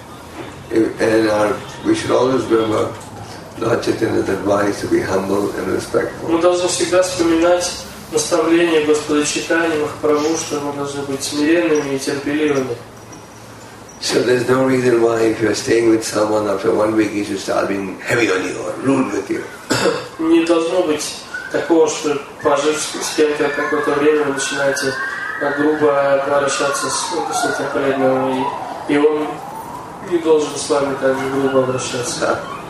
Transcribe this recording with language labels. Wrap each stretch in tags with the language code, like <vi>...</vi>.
<en>We should always remember Lord Chaitanya's advice to be humble and respectful.</en> <ru>Мы должны всегда вспоминать наставление Господа Чайтаньи Махапрабху, что мы должны быть смиренными и терпеливыми.</ru> <en>So there's no reason why if you're staying with someone after 1 week he should start being heavy on you or rude with you.</en> <ru>Не должно быть такого, что пожив с кем-то какое-то время вы начинаете грубо обращаться с этим преданным, и он не должен с вами так же грубо обращаться.</ru>